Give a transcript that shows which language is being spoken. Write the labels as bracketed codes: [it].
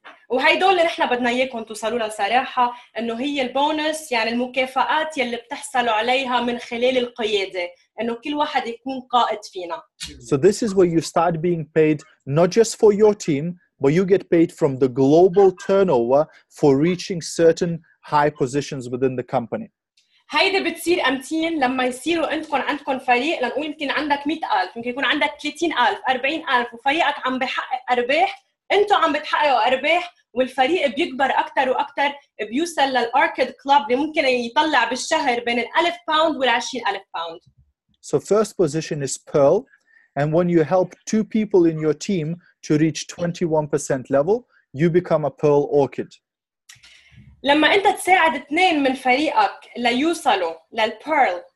[ar] وهيدول اللي نحن بدنا اياكم توصلوا لها صراحه, انه هي البونس, يعني المكافآت يلي بتحصلوا عليها من خلال القياده, انه كل واحد يكون قائد فينا. [en] So this is where you start being paid not just for your team, but you get paid from the global turnover for reaching certain high positions within the company. [ar] هيدي بتصير امتين لما يصيروا انتكم عندكم فريق, لنقول يمكن عندك 100,000, يمكن يكون عندك 30,000, 40,000, وفريقك عم بحقق ارباح, انتم عم بتحققوا ارباح والفريق بيكبر اكثر واكثر, بيوصل للاركيد كلوب اللي ممكن يطلع بالشهر بين ال 1000 باوند وال 20000 باوند. [en] So first position is pearl, and when you help two people in your team to reach 21% level, you become a pearl orchid. [ar] لما انت تساعد اثنين من فريقك ليوصلوا للبيرل